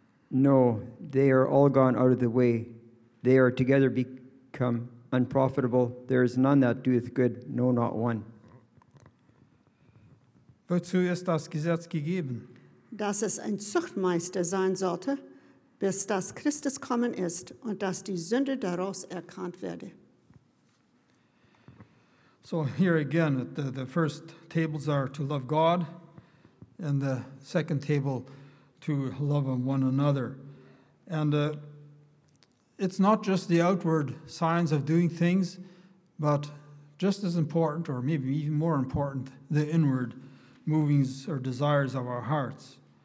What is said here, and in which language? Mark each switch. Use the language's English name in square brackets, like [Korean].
[English] No, they are all gone out of the way. They are together become unprofitable. There is none that doeth good, no, not one. [German] Wozu ist das Gesetz gegeben? Dass es ein Zuchtmeister sein sollte, bis das Christus kommen ist und dass die Sünde daraus erkannt werde. [English] So here again, the first tables are to love God, and the second table to love one another. And it's not just the outward signs of doing things, but just as important, or maybe even more important, the inward movings or desires of our hearts.